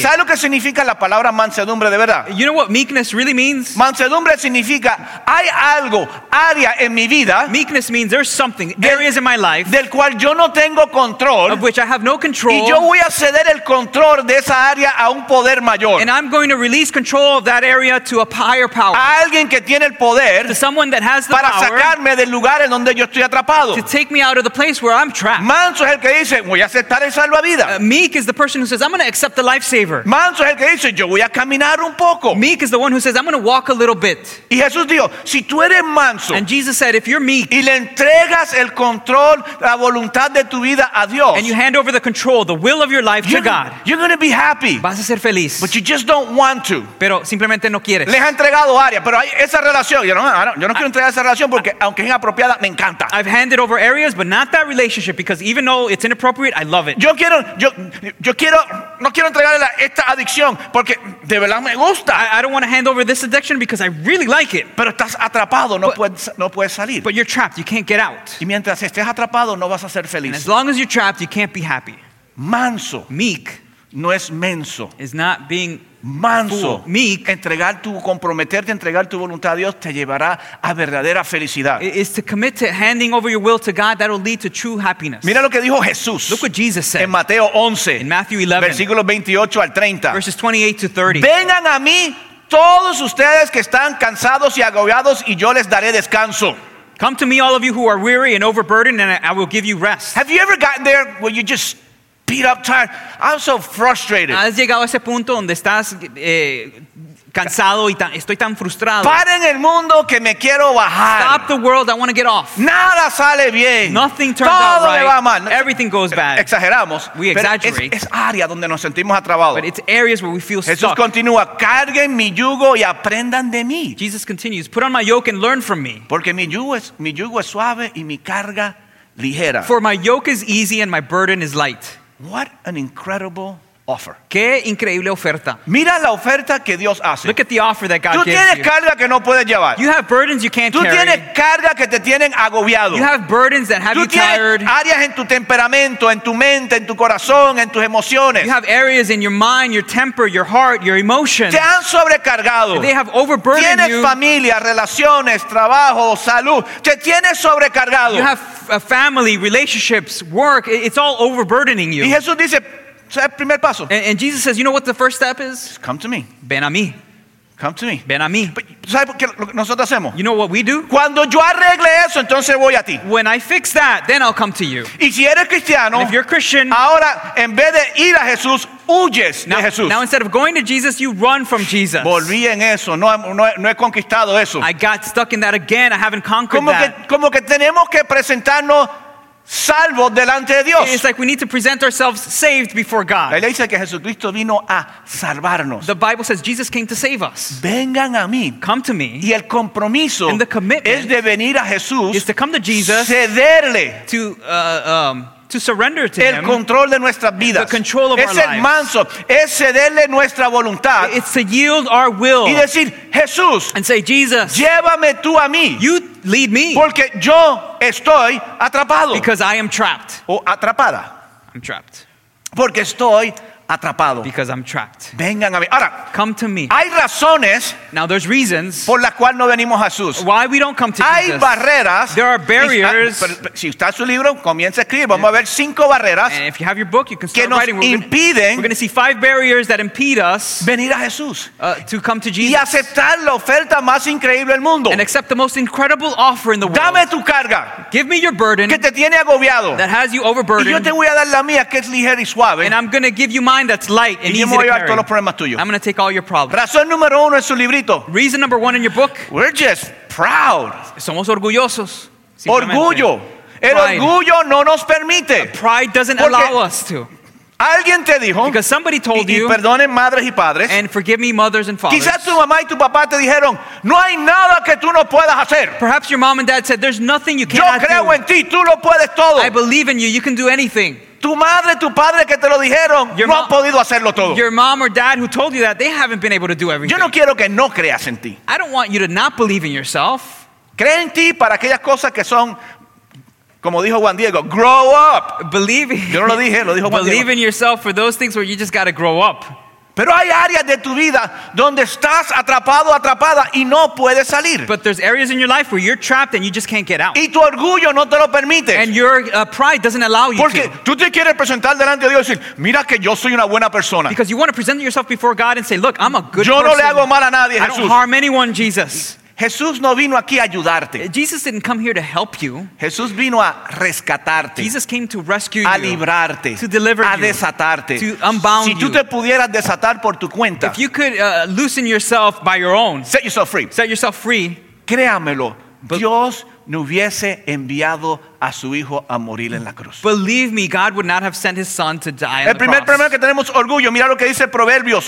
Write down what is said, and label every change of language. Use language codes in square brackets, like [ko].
[es] ¿Sabes lo que significa la palabra mansedumbre de verdad? [en] You know what meekness really means? [es] Mansedumbre significa hay algo, área en mi vida. [en] Meekness means there's something, areas in my life, [es] del cual yo no tengo control. [en] Of which I have no control. [es] Y yo voy a ceder el control de esa área a un poder mayor. [en] And I'm going to release control of that area to a higher power. [es] A alguien que tiene el poder. [en] To someone that has the [es] para [en] power. [es] Para sacarme del lugar en donde yo estoy atrapado. [en] To take me out of the place where I'm trapped. [es] Manso es el que dice, voy a aceptar. [en] Meek is the person who says, I'm going to accept the lifesaver. [es] Manso es el que dice, yo voy a caminar un poco. [en] Meek is the one who says, I'm going to walk a little bit. [es] Y Jesús dijo, si tú eres manso, [en] and Jesus said, if you're meek, [es] y le entregas el control, la voluntad de tu vida a Dios, [en] and you hand over the control, the will of your life to God, you're going to be happy. [es] Vas a ser feliz. [en] But you just don't want to. [es] Pero simplemente no quieres. Les ha entregado área, pero hay esa relación. Yo no quiero entregar esa relación porque aunque es inapropiada, me encanta. [en] I've handed over areas, but not that relationship because even though it's inappropriate, I love it. [es] No quiero entregarle esta adicción porque de verdad me gusta. [en] I don't want to hand over this addiction because I really like it. [es] Pero estás atrapado, no puedes salir. [en] But you're trapped, you can't get out. [es] Y mientras estés atrapado, no vas a ser feliz. [en] And as long as you're trapped, you can't be happy. [es] Manso, [en] meek, [es] no es menso. [en] Is not being [es] manso, [en] meek, [es] entregar tu comprometerte a entregar tu voluntad a Dios te llevará a verdadera felicidad. [en] Is to commit to handing over your will to God, that will lead to true happiness. [es] Mira lo que dijo Jesús. [en] Look what Jesus said. [es] En Mateo 11, [en] in Matthew 11, [es] versículos 28 al 30. [en] Verses 28 to 30. [es] Vengan a mí todos ustedes que están cansados y agobiados y yo les daré descanso. [en] Come to me all of you who are weary and overburdened and I will give you rest. Have you ever gotten there where you just beat up, tired? I'm so frustrated. [es] ¿Has llegado a ese punto donde estás cansado y estoy tan frustrado? Paren el mundo que me quiero bajar. [en] Stop the world, I want to get off. [es] Nada sale bien. [en] Nothing turns out right. [es] Me va mal. [en] Everything goes bad. [es] Exageramos. [en] We exaggerate. [es] Es área donde nos sentimos atrapados. [en] But it's areas where we feel [es] Jesús [en] stuck. [es] Jesús continúa, carguen mi yugo y aprendan de mí. [en] Jesus continues, put on my yoke and learn from me. [es] Porque mi yugo es suave y mi carga ligera. [en] For my yoke is easy and my burden is light. What an incredible offer. [es] Qué increíble oferta. Mira la oferta que Dios hace. [en] Look at the offer that God gives you. [es] Tú tienes carga que no puedes llevar. [en] You have burdens you can't carry. [es] Tú tienes carga que te tienen agobiado. [en] You have burdens that have you tired. [es] Tú tienes áreas en tu temperamento, en tu mente, en tu corazón, en tus emociones. [en] You have areas in your mind, your temper, your heart, your emotions. [es] Te han sobrecargado. [en] They have overburdened you. [es] Tienes familia, relaciones, trabajo, salud. Te tienes sobrecargado. [en] You have a family, relationships, work. It's all overburdening you. [es] Y Jesús dice, primer paso. [en] And Jesus says, you know what the first step is? Just come to me. [es] Ven a mí. [en] Come to me. [es] Ven a mí. ¿Sabes qué lo que nosotros hacemos? [en] You know what we do? [es] Cuando yo arregle eso, entonces voy a ti. [en] When I fix that, then I'll come to you. [es] Y si eres cristiano, [en] if you're Christian, [es] ahora en vez de ir a Jesús, huyes [en] now, [es] de Jesús. [en] Now instead of going to Jesus, you run from Jesus. [es] Volví en eso, no he conquistado eso. [en] I got stuck in that again. I haven't conquered [es] como [en] that. [es] Como que tenemos que presentarnos salvo delante de Dios. [en] It's like we need to present ourselves saved before God. [es] La Biblia dice que Jesucristo vino a salvarnos. [en] The Bible says Jesus came to save us. [es] Vengan a mí. [en] Come to me. [es] Y el compromiso [en] and the commitment [es] es de venir a Jesús, [en] is to come to Jesus, [es] cederle [en] to surrender to [es] el [en] him, [es] control de nuestras vidas. [en] The control of [es] es [en] our lives. [es] Es ser manso, es cederle nuestra voluntad. [en] It's to yield our will. [es] Y decir, Jesús, [en] and say, Jesus, [es] llévame tú a mí. [en] You lead me. [es] Porque yo estoy atrapado. [en] Because I am trapped. [es] O atrapada. [en] I'm trapped. [es] Porque estoy atrapado. [en] Because I'm trapped. [es] Vengan a mí. Ahora, [en] come to me. [es] Hay razones. [en] Now there's reasons [es] por las cuales no venimos a Jesús. [en] Why we don't come to [es] hay [en] Jesus. [es] Hay barreras. [en] There are barriers. [es] Si está su libro, comience a escribir. Vamos a ver cinco barreras. [en] And if you have your book, you can start writing. [es] Que nos impiden. [en] We're going to see five barriers that impede us [es] venir a Jesús. [en] To come to Jesus. [es] Y aceptar la oferta más increíble del mundo. [en] And accept the most incredible offer in the world. [es] Dame tu carga. [en] Give me your burden. [es] Que te tiene agobiado. [en] That has you overburdened. [es] Y yo te voy a dar la mía, que es ligera y suave. [en] And I'm going to give you my that's light and easy to carry. [es] Todos los problemas tuyos. [en] I'm going to take all your problems. [es] Razón número uno en su librito. [en] Reason number one in your book. We're just proud. [es] Somos orgullosos. Orgullo. El orgullo no nos permite. [en] Pride doesn't allow us to. [es] Alguien te dijo, [en] because somebody told [es] y [en] you. [es] Perdonen madres y padres, [en] and forgive me, mothers and fathers. [es] Quizás tu mamá y tu papá te dijeron, no hay nada que tú no puedas hacer. [en] Perhaps your mom and dad said, there's nothing you cannot do. [es] Yo creo en ti, tú lo puedes todo. [en] I believe in you. You can do anything. [es] Tu madre, tu padre que te lo dijeron, no han podido hacerlo todo. [en] Your mom or dad who told you that, they haven't been able to do everything. [es] Yo no quiero que no creas en ti. [en] I don't want you to not believe in yourself. [es] Cree en ti para aquellas cosas que son, como dijo Juan Diego, [en] grow up. Believe. [es] Yo no lo dije, lo dijo Juan Diego. [en] Believe in yourself for those things where you just got to grow up. [es] Pero hay áreas de tu vida donde estás atrapado, atrapada y no puedes salir. [en] But there's areas in your life where you're trapped and you just can't get out. [es] Y tu orgullo no te lo permite. [en] And your pride doesn't allow you. [es] Porque [en] to. [es] Tú te quieres presentar delante de Dios y decir, mira que yo soy una buena persona. [en] Because you want to present yourself before God and say, look, I'm a good [es] yo [en] person. [es] Yo no le hago mal a nadie, Jesús. [en] I don't harm anyone, Jesus. [es] Jesús no vino aquí a ayudarte. [en] Jesus didn't come here to help you. [es] Jesús vino a rescatarte. [en] Jesus came to rescue you. [es] A librarte. [en] To deliver you. [es] A desatarte. [en] To unbound you. [es] Si tú te pudieras desatar por tu cuenta. [en] If you could loosen yourself by your own. Set yourself free. Set yourself free. [es] Créamelo. Dios no hubiese enviado a su hijo a morir en la cruz. [en] Believe me, God would not have sent his son to die on the cross. [es] El primer problema que tenemos orgullo, mira lo que dice Proverbios.